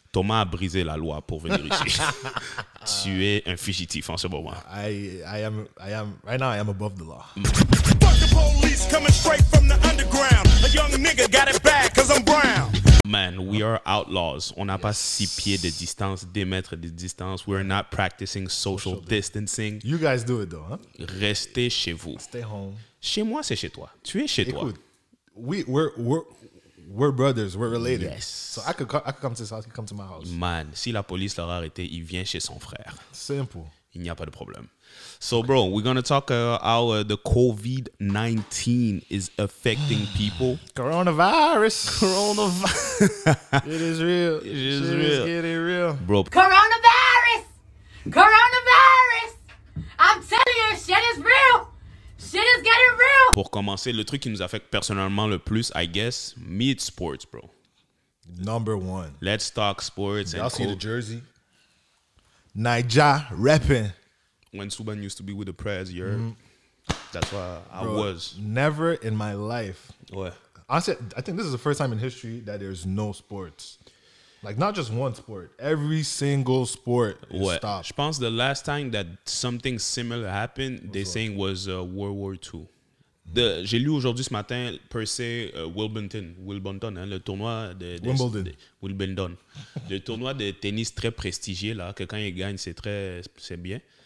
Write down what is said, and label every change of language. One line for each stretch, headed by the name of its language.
French: Thomas a brisé la loi pour venir ici. Tu es un fugitif en ce moment.
English: I am, right now, I am above the law. Fuck the police coming straight from the underground. A young nigga got it bad cause I'm brown. Man, we are outlaws.
French: On n'a pas six pieds de distance, des mètres de distance.
English: We're not practicing social distancing. You guys do it though, huh?
French: Restez chez vous.
English: Stay home.
French: Chez moi, c'est chez toi. Tu es chez Écoute, toi.
English: We're brothers, we're related. Yes. So I could come to his house, he could come to my house.
French: Man, si la police l'a arrêté, il vient chez son frère. Simple. Il n'y a pas de problème.
English: So okay. Bro, we're going to talk how the COVID-19 is affecting people. Coronavirus. Coronavirus. It is real. It is real. It is getting real. Bro. Coronavirus. Coronavirus. I'm telling you, shit is real. Shit is getting real.
French: Pour commencer, le truc qui nous affecte personnellement le plus,
English: I guess, me, it's sports, bro. Number one. Let's talk sports. Y'all see the jersey? Naija repping. When Subban used to be with the Prez, you heard? Mm. That's why I was. Never in my life. What? Honestly, I think this is the first time in history that there's no sports. Like, not just one sport. Every single sport is what? Stopped.
French: Je pense
English: the last time that something similar happened, they're saying was World War II.
French: J'ai lu aujourd'hui ce matin, per se, Wimbledon, hein, le tournoi Wimbledon. Le tournoi de tennis très prestigieux, là, que quand il gagne, c'est bien.